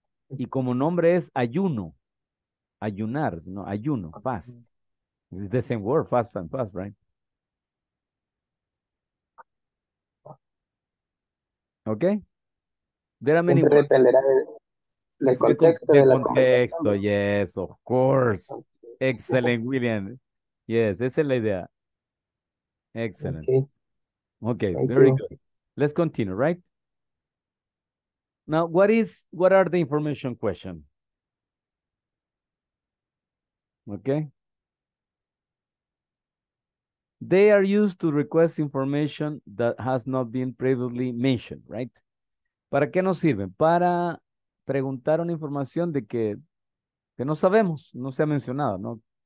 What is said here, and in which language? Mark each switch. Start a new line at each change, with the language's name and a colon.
Spanish: Y como nombre es ayuno, ayunar, no, ayuno, fast. Mm-hmm.
English: It's the same word, fast and fast, right? Okay. There are many.
Spanish: Siempre dependerá del contexto de la contexto.
English: Yes, of course. Excellent, William. Yes,
Spanish: esa es la idea.
English: Excellent. Okay. Very good. Let's continue, right? Now, what are the information question? Okay. They are used to request information that has not been previously mentioned, right?
Spanish: ¿Para qué nos sirven? Para preguntar una información de que no sabemos, no se ha mencionado, ¿no?